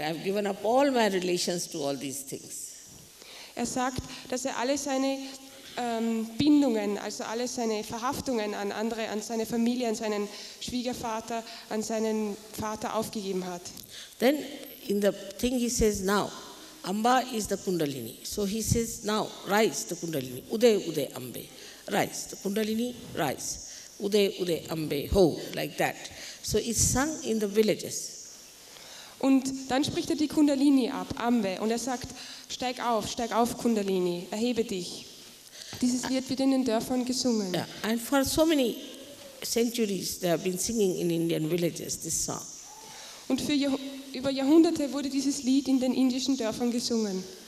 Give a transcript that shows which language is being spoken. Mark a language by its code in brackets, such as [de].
[en] I've given up all my relations to all these things. [de] Er sagt, dass alle seine Bindungen, also alle seine Verhaftungen an andere, an seine Familie, an seinen Schwiegervater, an seinen Vater aufgegeben hat. [en] Then in the thing he says now, Amba is the Kundalini. So he says now, rise the Kundalini, Ude Ude Ambe, rise the Kundalini, rise, Ude Ude Ambe, ho, like that. So it's sung in the villages. [de] Und dann spricht die Kundalini ab, Ambe, und sagt, steig auf Kundalini, erhebe dich. Dieses Lied wird in den Dörfern gesungen. [en] Yeah. And for so many centuries they have been singing in Indian villages this song. [de] Und für über Jahrhunderte wurde dieses Lied in den indischen Dörfern gesungen.